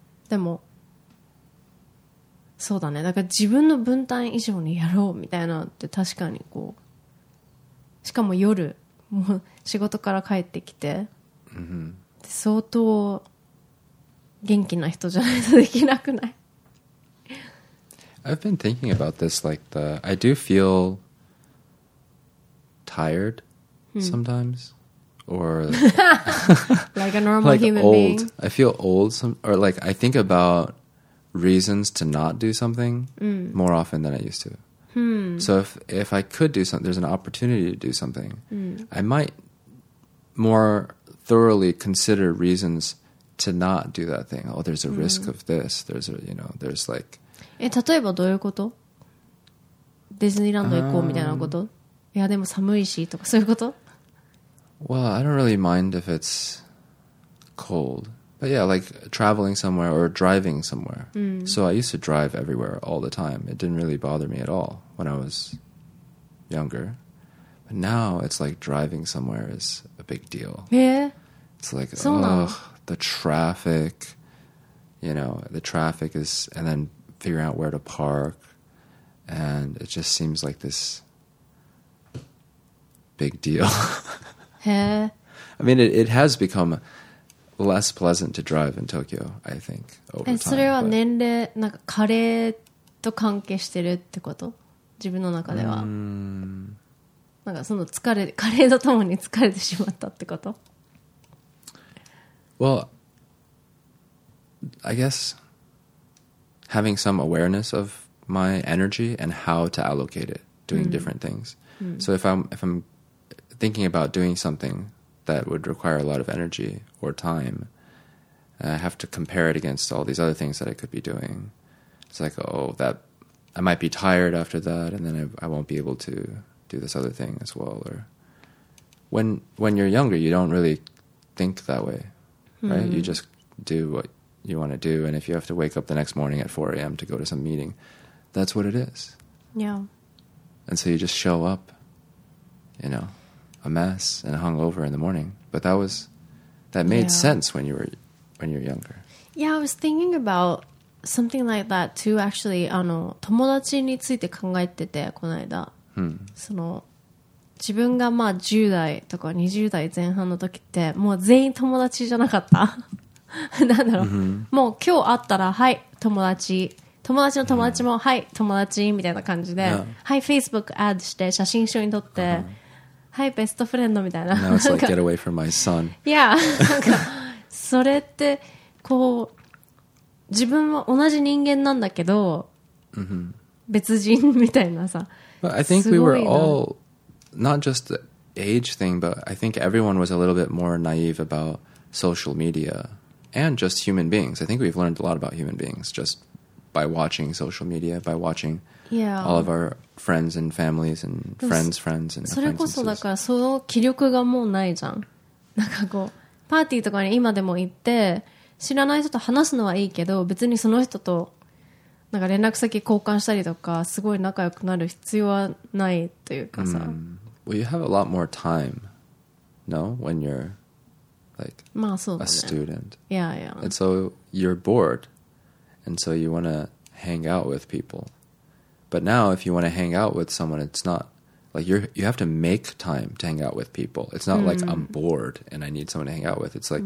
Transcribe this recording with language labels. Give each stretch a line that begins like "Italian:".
Japanese: でもそうだね。だから自分の分担以上にやろうみたいなって確かにこう。しかも夜もう仕事から帰ってきて、相当元気な人じゃないとできなくない。
English: I've been thinking about this. Like the, I do feel tired sometimes, or like a normal like human old. being. I feel old, or like I think about reasons to not do something more often than I used to. So if I could do something, there's an opportunity to do something, I might more thoroughly consider reasons to not do that thing. Oh, there's a risk of this. There's a, you know, there's like.
Japanese: え、例えばどういうこと？ディズニーランド行こうみたいなこと？いやでも寒いしとかそういうこと？
English: Well, I don't really mind if it's cold. But yeah, like traveling somewhere or driving somewhere. So I used to drive everywhere all the time. It didn't really bother me at all when I was younger. But now it's like driving somewhere is a big deal. It's like, ugh, the traffic. You know, the traffic is, and then figuring out where to park, and it just seems like this big deal. I mean, it has become less pleasant to drive in Tokyo, I think, over time.
Japanese: それは年齢、なんか加齢と関係してるってこと？自分の中では。なんかその疲れ、加齢とともに疲れてしまったってこと？
English: Well, I guess having some awareness of my energy and how to allocate it, doing different things. So if I'm thinking about doing something that would require a lot of energy or time, I have to compare it against all these other things that I could be doing. It's like, oh, that I might be tired after that, and then I won't be able to do this other thing as well. Or when you're younger, you don't really think that way, right? You just do what you want to do, and if you have to wake up the next morning at 4 a.m. to go to some meeting, that's what it is. Yeah. And so you just show up, you know, a mess and hungover in the morning. But that made sense when you were younger. Yeah, I was thinking about something like that too. Actually,
Japanese: 友達について考えててこの間、その自分がまあ10代とか20代前半の時ってもう全員友達じゃなかった。なんだろう、もう今日会ったらはい友達、友達の友達もはい友達みたいな感じで、はい Facebook アドして写真書に撮って、はいベストフレンドみたいな。
English: Now it's like get away from my son.
Japanese: Yeah, それってこう自分は同じ人間なんだけど、別人みたいなさ。
English: But I think we were all not just the age thing, but I think everyone was a little bit more naive about social media. And just human beings. I think we've learned a lot about human beings just by watching social media, by watching all of our friends and families and friends' friends and friends.
Japanese: それこそだからその気力がもうないじゃん。なんかこうパーティーとかに今でも行って知らない人と話すのはいいけど、別にその人となんか連絡先交換したりとかすごい仲良くなる必要はないというかさ。
English: Well, you have a lot more time, no? When you're like
Japanese: まあそうだね。
English: a student. Yeah, yeah. And so you're bored. And so you want to hang out with people. But now if you want to hang out with someone, it's not like you have to make time to hang out with people. It's not like I'm bored and I need someone to hang out with. It's like